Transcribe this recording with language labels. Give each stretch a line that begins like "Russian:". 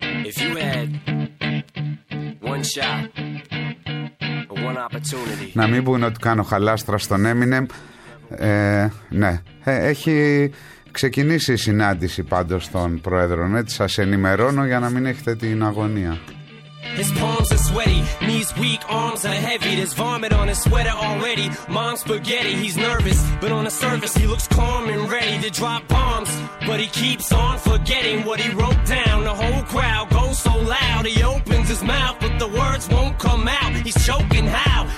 English: If you had one shot, one opportunity.
Greek: Να μην πούνε ότι κάνω χαλάστρα στον Eminem. Ναι, έχει ξεκινήσει η συνάντηση πάντως των προέδρων. Έτσι σας ενημερώνω για να μην έχετε την αγωνία.
English: His palms are sweaty, knees weak, arms are heavy. There's vomit on his sweater already, mom's spaghetti. He's nervous, but on the surface he looks calm and ready to drop bombs. But he keeps on forgetting what he wrote down. The whole crowd goes so loud, he opens his mouth, but the words won't come out. He's choking how?